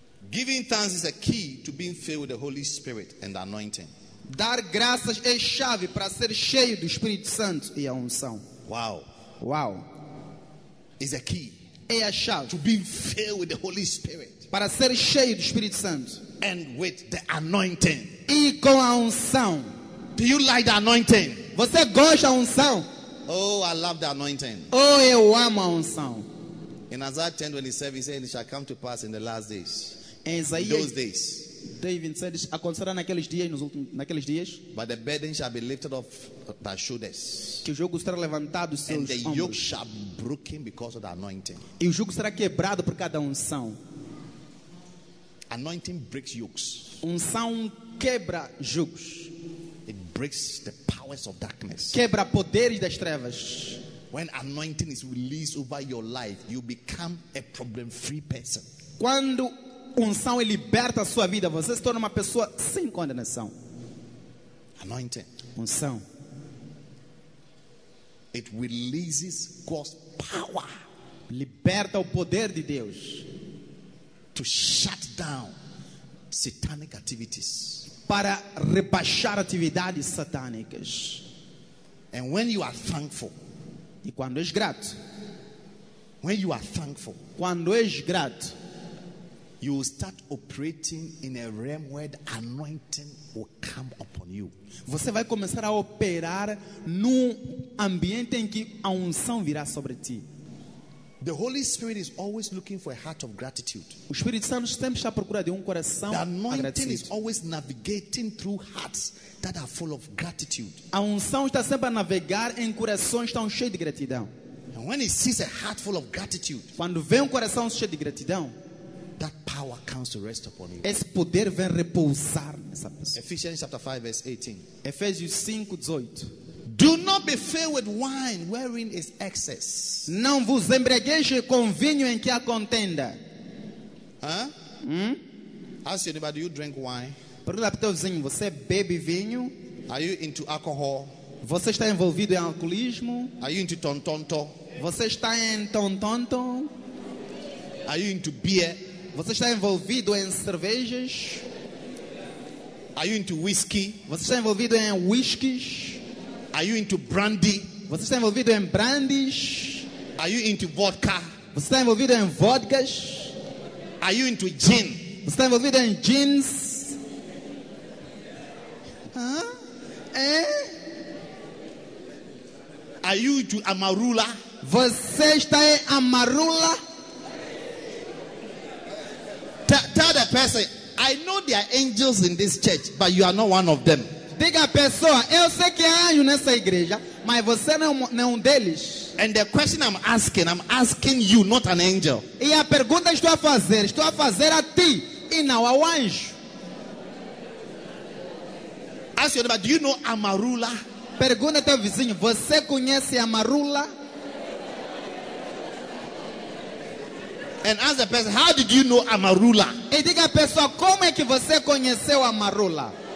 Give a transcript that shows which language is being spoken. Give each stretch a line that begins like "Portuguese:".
English: Giving thanks is a key to being filled with the Holy Spirit and anointing.
Portuguese: Dar graças é chave para ser cheio do Espírito Santo e a unção.
English: Wow. Wow. Is a key.
Portuguese: É a chave.
English: To being filled with the Holy Spirit.
Portuguese: Para ser cheio do Espírito Santo.
English: And with the anointing.
Portuguese: E com a unção.
English: Do you like the anointing?
Portuguese: Você gosta da unção?
English: Oh, I love the anointing.
Portuguese: Oh, eu amo a unção.
English: In Isaiah 10:27, he said, it shall come to pass in the last days. Those days. But the burden shall be lifted off thy shoulders.
Portuguese: Que o jugo será levantado seus ombros.
English: And the yoke shall be broken because of the anointing.
Portuguese: E o jugo será quebrado por cada unção.
English: Anointing breaks yokes.
Portuguese: Unção quebra jugos.
English: It breaks the powers of darkness.
Portuguese: Quebra poderes das trevas.
English: When anointing is released over your life, you become a problem-free person.
Portuguese: Quando unção é liberta a sua vida, você se torna uma pessoa sem condenação.
English: Anointing.
Portuguese: Unção.
English: It releases God's power.
Portuguese: Liberta o poder de Deus.
English: To shut down satanic activities.
Portuguese: Para rebaixar atividades satânicas.
English: And when you are thankful.
Portuguese: E quando és grato.
English: When you are thankful.
Portuguese: Quando és grato.
English: You will start operating in a realm where the anointing will come upon you.
Portuguese: Você vai começar a operar num ambiente em que a unção virá sobre ti.
English: The Holy Spirit is always looking for a heart of gratitude.
Portuguese: O Espírito Santo sempre está à procura de coração agradecido.
English: The anointing is always navigating through hearts that are full of gratitude.
Portuguese: A unção está sempre a navegar em corações que estão cheios de gratidão.
English: And when he sees a heart full of gratitude,
Portuguese: quando vê coração cheio de gratidão,
English: that power comes to rest upon you.
Portuguese: Esse poder vem repousar nessa pessoa.
English: Ephesians chapter 5 verse 18.
Portuguese: Efésios 5:18.
English: Do not be filled with wine wherein is excess.
Portuguese: Não vos embriagueis com vinho em que há contenda.
English: Ask your neighbor, do you drink wine?
Portuguese: Pergunta para o teu vizinho, você bebe vinho?
English: Are you into alcohol?
Portuguese: Você está envolvido em alcoolismo?
English: Are you into tontonto?
Portuguese: Você está em tontonto?
English: Are you into beer?
Portuguese: Você está envolvido em cervejas?
English: Are you into whiskey?
Portuguese: Você está envolvido em whiskies?
English: Are you into brandy?
Portuguese: Você está envolvido em brandies?
English: Are you into vodka?
Portuguese: Você está envolvido em vodkas?
English: Are you into gin?
Portuguese: Você está envolvido em gins?
English: Are you into amarula?
Portuguese: Você está em amarula?
English: Tell the person, I know there are angels in this church, but you are not one of them.
Portuguese: Diga a pessoa, eu sei que há anjos nessa igreja, mas você não é um deles.
English: And the question I'm asking you, not an angel.
Portuguese: E a pergunta que estou a fazer a ti e não ao anjo.
English: Ask your neighbor, do you know amarula?
Portuguese: Pergunta ao teu vizinho, você conhece amarula?
English: And ask the person, how did you know amarula?
Portuguese: E diga a pessoa, como é que você conheceu amarula?